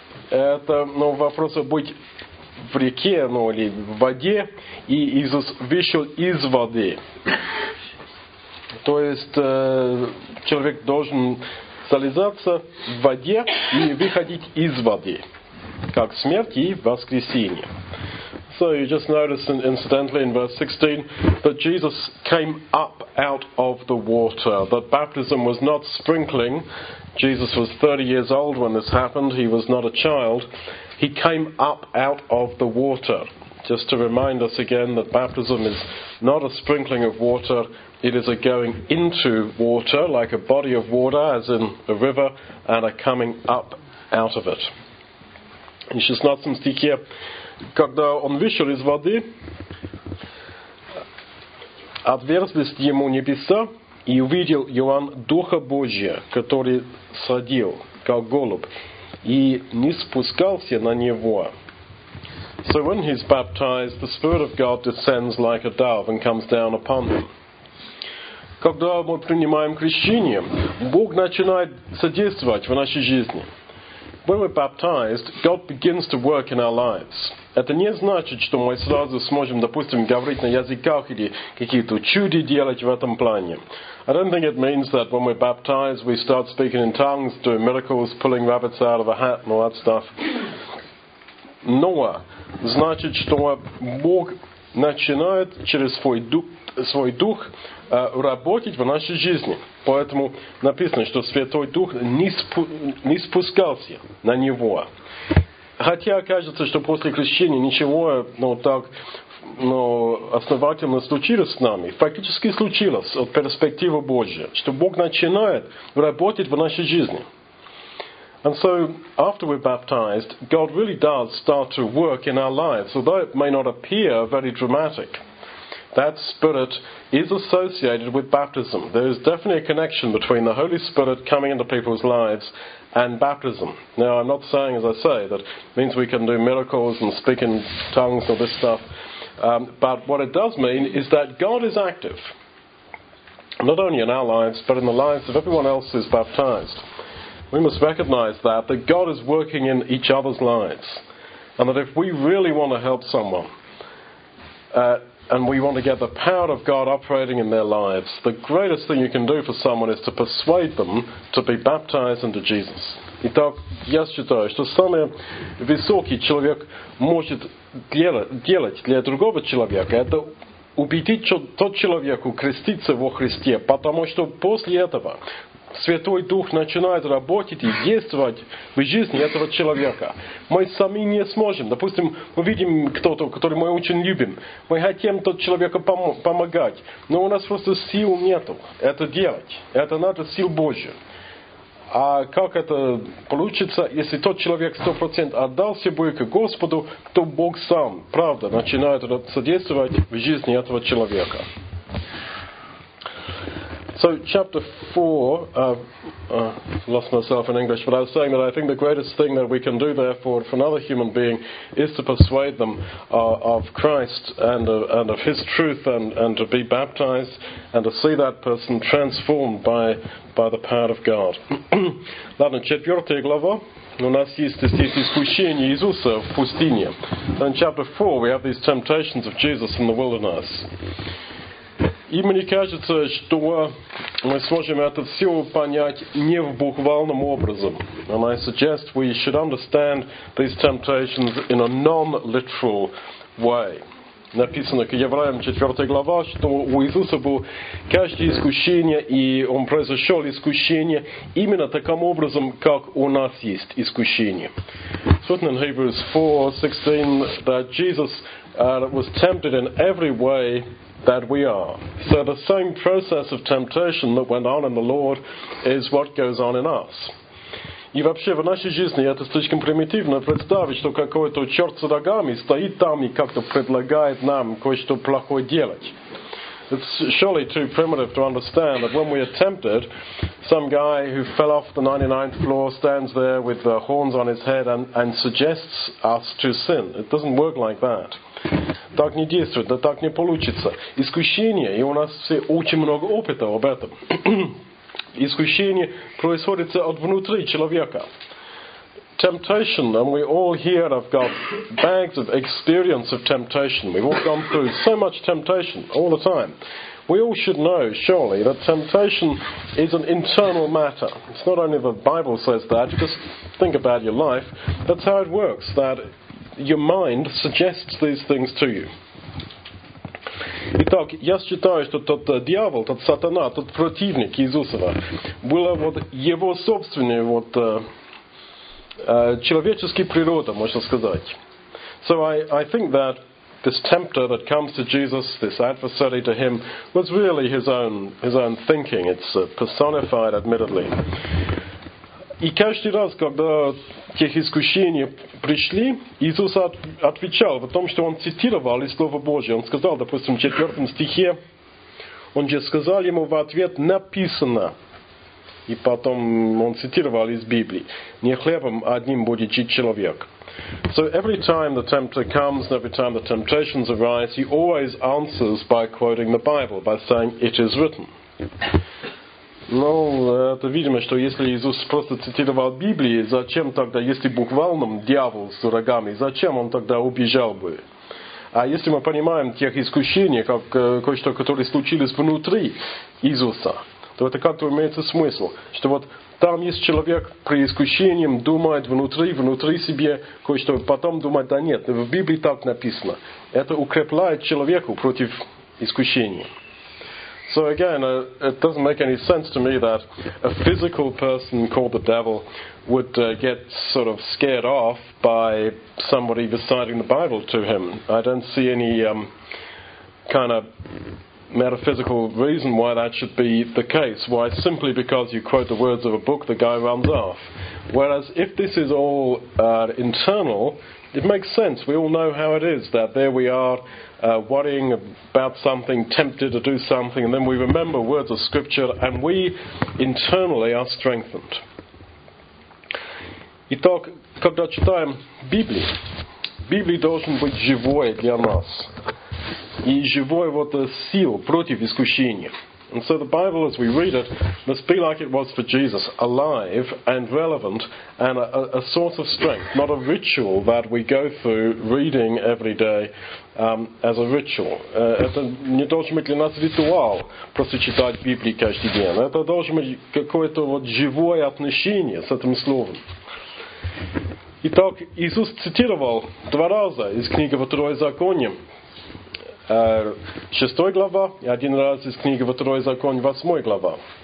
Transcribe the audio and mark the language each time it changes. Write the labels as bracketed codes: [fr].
[ru] Это, ну, вопрос быть в реке, ну, или в воде, и Иисус вышел из воды. То есть человек должен солизаться в воде и выходить из воды, как смерть и воскресение. [en] So you just notice, incidentally, in verse 16, that Jesus came up out of the water. That baptism was not sprinkling. Jesus was 30 years old when this happened. He was not a child. He came up out of the water. Just to remind us again that baptism is not a sprinkling of water. It is a going into water, like a body of water, as in a river, and a coming up out of it. In [ru] 16 стих [en] here, [ru] когда он вышел из воды, отверзлись ему небеса, и увидел Иоанн Духа Божия, который сходил, как голубь, и не спускался на него. [en] So when he's baptized, the Spirit of God descends like a dove and comes down upon him. [ru] Когда мы принимаем крещение, Бог начинает содействовать в нашей жизни. [en] When we're baptized, God begins to work in our lives. [ru] Это не значит, что мы сразу сможем, допустим, говорить на языках или какие-то чуди делать в этом плане. [en] I don't think it means that when we're baptized, we start speaking in tongues, doing miracles, pulling rabbits out of a hat and all that stuff. [ru] Но значит, что Бог начинает через свой дух работать в нашей жизни. Поэтому написано, что Святой Дух не спускался на него. Хотя кажется, что после крещения ничего, ну, так, ну, основательно случилось с нами. Фактически случилось от перспективы Божьей, что Бог начинает работать в нашей жизни. [en] And so, after we're baptized, God really does start to work in our lives, although it may not appear very dramatic. That Spirit is associated with baptism. There is definitely a connection between the Holy Spirit coming into people's lives and baptism. Now, I'm not saying, as I say, that means we can do miracles and speak in tongues or this stuff. But what it does mean is that God is active, not only in our lives, but in the lives of everyone else who's baptized. We must recognize that God is working in each other's lives, and that if we really want to help someone, and we want to get the power of God operating in their lives, the greatest thing you can do for someone is to persuade them to be baptized into Jesus. [ru] Итак, я считаю, что самый высокий человек может делать для другого человека – это убедить тот человеку креститься во Христе, потому что после этого Святой Дух начинает работать и действовать в жизни этого человека. Мы сами не сможем. Допустим, мы видим кто-то, который мы очень любим. Мы хотим тот человеку помогать. Но у нас просто сил нету это делать. Это надо сил Божьих. А как это получится, если тот человек 100% отдался бы к Господу, то Бог сам, правда, начинает содействовать в жизни этого человека. [en] So chapter 4, lost myself in English, but I was saying that I think the greatest thing that we can do therefore for another human being is to persuade them of Christ and of his truth and to be baptized and to see that person transformed by the power of God. [ru] Ладно, четвертая глава. У нас есть здесь искушение Иисуса в пустыне. [en] In chapter 4 we have these temptations of Jesus in the wilderness. [ru] И мне кажется, что мы сможем это все понять не в буквальном образом. [en] And I suggest we should understand these temptations in a non-literal way. [ru] Написано к Евреям 4 глава, что у Иисуса было каждое искушение, и он произошел искушение именно таким образом, как у нас есть искушение. [en] It's written in Hebrews 4:16 that Jesus was tempted in every way that we are. So the same process of temptation that went on in the Lord is what goes on in us. [ru] И вообще в нашей жизни это слишком примитивно представить, что какой-то черт с рогами стоит там и как-то предлагает нам кое-что плохое делать. [en] It's surely too primitive to understand that when we are tempted, some guy who fell off the 99th floor stands there with the horns on his head and suggests us to sin. It doesn't work like that. [ru] Так не действует, да так не получится. Искушение, и у нас все очень много опыта об этом. Искушение происходит от внутри человека. [en] Temptation, and we all here have got bags of experience of temptation. We've all gone through so much temptation all the time. We all should know, surely, that temptation is an internal matter. It's not only the Bible says that, just think about your life. That's how it works, that your mind suggests these things to you. [ru] Итак, я считаю, что тот дьявол, тот сатана, тот противник Иисусова, было вот его собственное вот человеческое природа, можно сказать. [en] So I think that this tempter that comes to Jesus, this adversary to him, was really his own thinking. It's personified, admittedly. [ru] И каждый раз, когда те искушения пришли, Иисус отвечал в том, что он цитировал из Слова Божьего. Он сказал, допустим, в 4 стихе, он же сказал ему в ответ «написано». И потом он цитировал из Библии. «Не хлебом одним будет жить человек». [en] So every time the tempter comes and every time the temptations arise, he always answers by quoting the Bible, by saying «it is written». [ru] Ну, это видимо, что если Иисус просто цитировал Библию, зачем тогда, если буквальным дьявол с рогами, зачем он тогда убежал бы? А если мы понимаем тех искушений, как кое-что, которые случились внутри Иисуса, то это как-то имеется смысл, что вот там есть человек при искушении, думает внутри себе кое-что, потом думает, да нет, в Библии так написано. Это укрепляет человеку против искушения. [en] So again, it doesn't make any sense to me that a physical person called the devil would get sort of scared off by somebody reciting the Bible to him. I don't see any kind of metaphysical reason why that should be the case. Why, simply because you quote the words of a book, the guy runs off. Whereas if this is all internal, it makes sense. We all know how it is, that there we are worrying about something, tempted to do something, and then we remember words of scripture and we internally are strengthened. [ru] Итак, когда читаем Библию, Библия должен быть живой для нас. И живой вот сил против искушения. [en] And so the Bible, as we read it, must be like it was for Jesus, alive and relevant and a source of strength, not a ritual that we go through reading every day as a ritual. [ru] Это не должен быть для нас ритуал просто читать Библию каждый день. Это должно быть какое-то вот живое отношение с этим словом. Итак, Иисус цитировал два раза из книги «Второзаконие». 6 глава, и один раз из книги «Второзаконие», 8 глава.